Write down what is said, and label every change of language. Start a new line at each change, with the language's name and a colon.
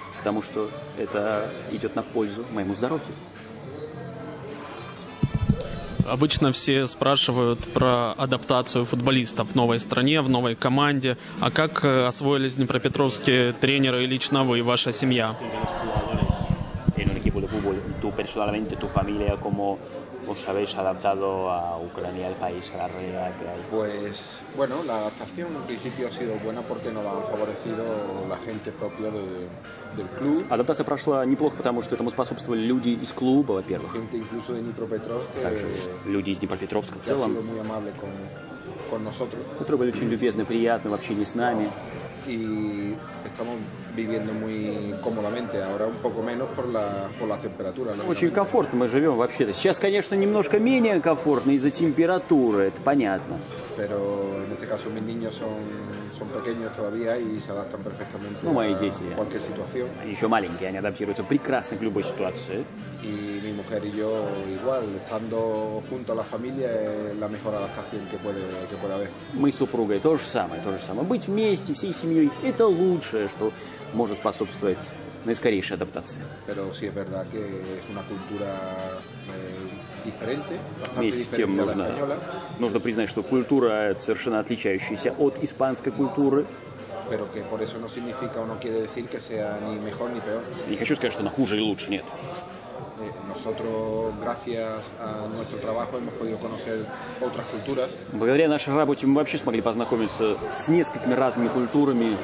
Russian: Потому что это идет на пользу моему здоровью. Обычно все спрашивают про адаптацию футболистов в новой стране, в новой команде. А как освоились днепропетровские тренеры и лично вы, и ваша семья?
Spanish: En un equipo de fútbol, tú personalmente, tu familia, como... ¿Os habéis adaptado a Ucrania, al país, a la realidad que hay? Pues, bueno, la adaptación en principio ha sido buena porque nos han favorecido la gente propia del club.
Russian: Adaptación прошла неплохо, потому что этому способствовали люди из клуба, во-первых.
Spanish: Gente incluso de Днепропетровск.
Russian: Также люди из Днепропетровска в целом.
Spanish: Ha sido muy amable con nosotros.
Russian: Которые были очень любезны, приятны в общении с нами.
Spanish: Y estamos viviendo muy cómodamente, ahora un poco menos por la temperatura.
Russian: Очень комфортно мы живем вообще-то. Сейчас, конечно, немножко менее комфортно из-за температуры, это понятно.
Spanish: Pero en este caso mis niños son pequeños todavía y se adaptan perfectamente a cualquier situación.
Russian: Они еще маленькие, они адаптируются прекрасно к любой ситуации.
Spanish: Y mi mujer y yo igual, estando junto a la familia es la mejor adaptación que puede haber.
Russian: Мы с супругой то же самое. Быть вместе, всей семьей, это лучшее, что может способствовать наискорейшей адаптации.
Spanish: Pero sí es verdad que es una cultura diferente,
Russian: вместе с тем нужно признать, что культура совершенно отличающаяся от испанской культуры.
Spanish: Pero que por eso no significa o no quiere decir que sea ni mejor ni peor.
Russian: Не хочу сказать, что она хуже или лучше, нет.
Spanish: Nosotros, gracias a nuestro trabajo, hemos podido conocer otras culturas.
Russian: Благодаря нашей работе мы вообще смогли познакомиться с несколькими разными культурами.